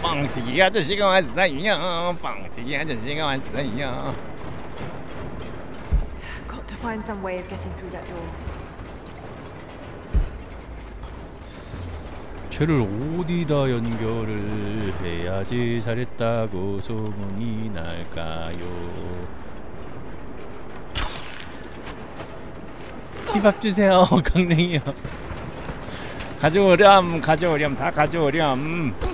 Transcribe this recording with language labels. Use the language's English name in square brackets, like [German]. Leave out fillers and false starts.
[Korean] 빵튀기 아저씨가 왔어요. 빵튀기 아저씨가 왔어요. [English] Got to find some way of getting through that door. [Korean] 쟤를 어디다 연결을 해야지 잘했다고 소문이 날까요? 비밥 주세요, 강냉이요. 가져오렴, 가져오렴, 다 가져오렴.